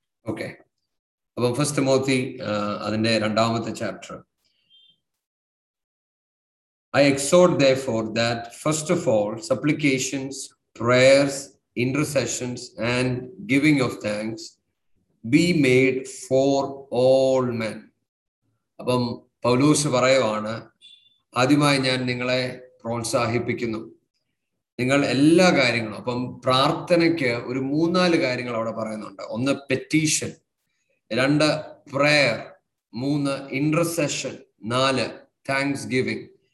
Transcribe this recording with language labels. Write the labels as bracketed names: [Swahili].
[Malayalam] Okay, അപ്പം first Timothy അതിന്റെ രണ്ടാമത്തെ chapter. [English] I exhort therefore that first of all supplications, prayers, intercessions and giving of thanks be made for all men. [Malayalam] അപ്പം പൗലോസ് പറയുവാണ്, ആദ്യമായി ഞാൻ നിങ്ങളെ പ്രോത്സാഹിപ്പിക്കുന്നു, നിങ്ങൾ എല്ലാ കാര്യങ്ങളും. അപ്പം പ്രാർത്ഥനയ്ക്ക് ഒരു മൂന്നാല് കാര്യങ്ങൾ അവിടെ പറയുന്നുണ്ട്. ഒന്ന് പെറ്റീഷൻ, രണ്ട് പ്രയർ, മൂന്ന് ഇന്റർസെഷൻ, നാല് താങ്ക്സ് ഗിവിംഗ്.